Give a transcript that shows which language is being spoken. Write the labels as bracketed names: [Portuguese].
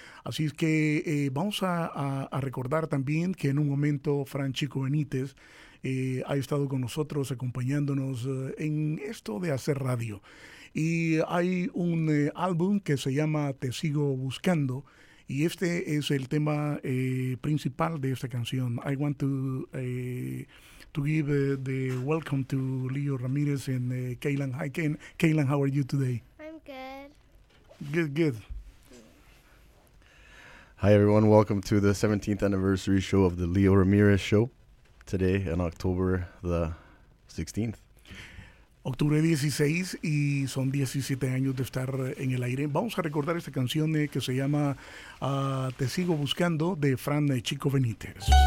[Spanish] Así es que vamos a recordar también que en un momento Franchico Benítez ha estado con nosotros acompañándonos en esto de hacer radio. Y hay un álbum que se llama Te Sigo Buscando, y este es el tema principal de esta canción. [English] I want to... to give the welcome to Leo Ramirez and Kaylan. Hi, Kaylan, how are you today? I'm good. Good, good. Hi, everyone. Welcome to the 17th anniversary show of the Leo Ramirez Show today on October the 16th. [Spanish] Octubre 16 y son 17 años de estar en el aire. Vamos a recordar esta canción que se llama Te Sigo Buscando de Fran Chico Benítez.